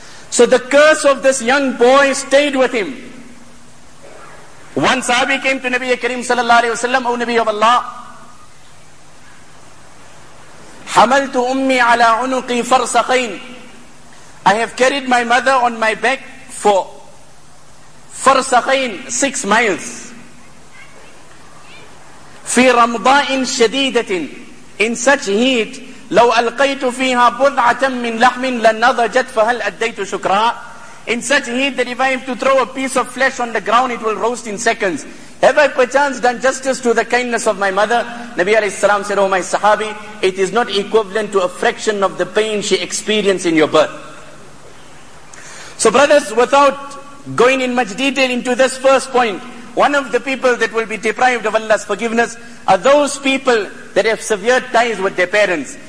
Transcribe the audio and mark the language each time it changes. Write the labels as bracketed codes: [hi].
[en] So the curse of this young boy stayed with him. One sahabi came to Nabi Kareem sallallahu alayhi wa sallam, O Nabi of Allah, [ar] حَمَلْتُ أُمِّي عَلَىٰ عُنُقِي فَرْسَخَيْنِ. [en] I have carried my mother on my back for فَرْسَخَيْنِ, 6 miles. [ar] فِي رَمْضَاءٍ شَدِيدَةٍ. [en] In such heat, [ar] لَوْ أَلْقَيْتُ فِيهَا بُضْعَةً مِّن لَحْمٍ لَنَّضَجَتْ فَهَلْ أَدَّيْتُ شُكْرًا. [en] In such heat that if I have to throw a piece of flesh on the ground, it will roast in seconds. Have I perchance done justice to the kindness of my mother? Nabi alayhi salam said, oh my sahabi, it is not equivalent to a fraction of the pain she experienced in your birth. So brothers, without going in much detail into this first point, one of the people that will be deprived of Allah's forgiveness are those people that have severed ties with their parents.